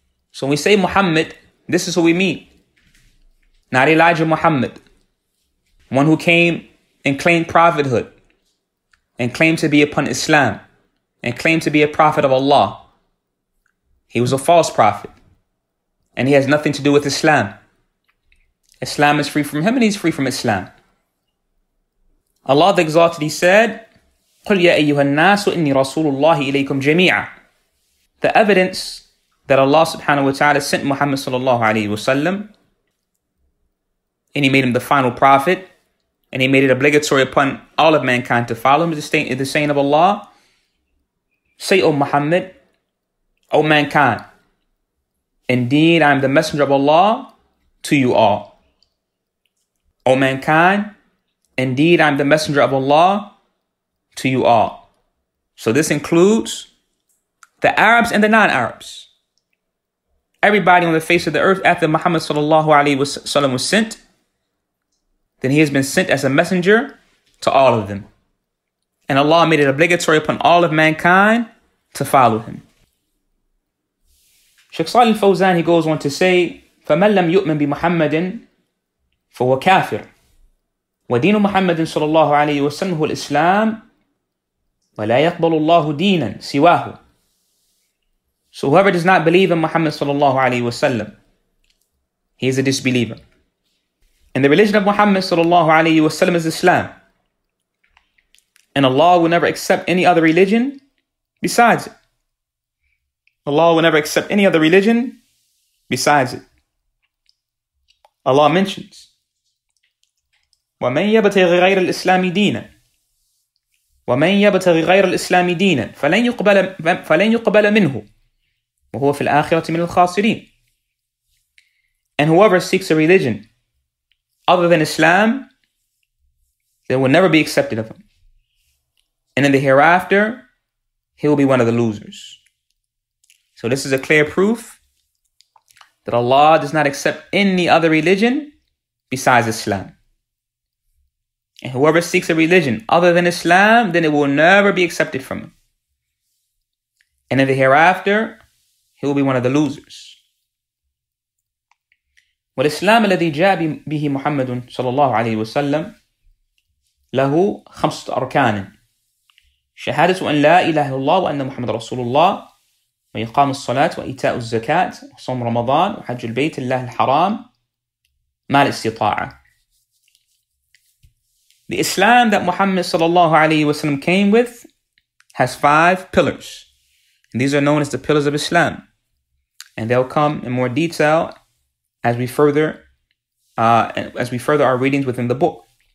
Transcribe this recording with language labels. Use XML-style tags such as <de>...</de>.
<en>So when we say Muhammad, this is who we mean. Not Elijah Muhammad, one who came and claimed prophethood, and claimed to be upon Islam, and claimed to be a prophet of Allah. He was a false prophet, and he has nothing to do with Islam. Islam is free from him, and he's free from Islam. Allah the Exalted, He said,</en> <ar>قُلْ يَا أَيُّهَا النَّاسُ إِنِّي رَسُولُ اللَّهِ إِلَيْكُمْ جَمِيعًا.</ar> <en>The evidence that Allah subhanahu wa ta'ala sent Muhammad sallallahu alayhi wa sallam, and He made him the final prophet, and He made it obligatory upon all of mankind to follow Him, is the saying of Allah, say, O Muhammad, O mankind, indeed I am the messenger of Allah to you all. O mankind, indeed I am the messenger of Allah to you all. So this includes the Arabs and the non-Arabs. Everybody on the face of the earth after Muhammad sallallahu alayhi wa sallam was sent, then he has been sent as a messenger to all of them. And Allah made it obligatory upon all of mankind to follow him. Sheikh Salih al-Fawzan, he goes on to say,</en> <ar>فَمَنْ لَمْ يُؤْمِنْ بِمُحَمَّدٍ فَهُوَ كَافِرٍ وَدِينُ مُحَمَّدٍ صَلَى اللَّهُ عَلَيْهِ وَسَلَّمُ هُوَ الْإِسْلَامِ وَلَا يَقْبَلُ اللَّهُ دِينًا سِوَاهُ.</ar> <en>So whoever does not believe in Muhammad sallallahu alayhi wa sallam, he is a disbeliever. And the religion of Muhammad sallallahu alayhi wa sallam is Islam. And Allah will never accept any other religion besides it. Allah will never accept any other religion besides it. Allah mentions,</en> <ar>وَمَنْ يَبْتَغِ غَيْرَ الْإِسْلَامِ دِينًا. ومن يبتغي غير الإسلام دينا فلن يقبل منه وهو في الآخرة من الخاسرين.</ar> <en>And whoever seeks a religion other than Islam, they will never be accepted of him. And in the hereafter, he will be one of the losers. So this is a clear proof that Allah does not accept any other religion besides Islam. And whoever seeks a religion other than Islam, then it will never be accepted from him. And in the hereafter, he will be one of the losers.</en> <ar>والإسلام الذي جاء به محمد صلى الله عليه وسلم له خمسة أركان: شهادة أن لا إله إلا الله وأن محمد رسول الله وإقام الصلاة وإيتاء الزكاة وصوم رمضان وحج البيت الله الحرام ما الاستطاعة.</ar> <en>The Islam that Muhammad صلى الله عليه وسلم came with has five pillars. And these are known as the pillars of Islam. And they'll come in more detail as we further our readings within the book.</en>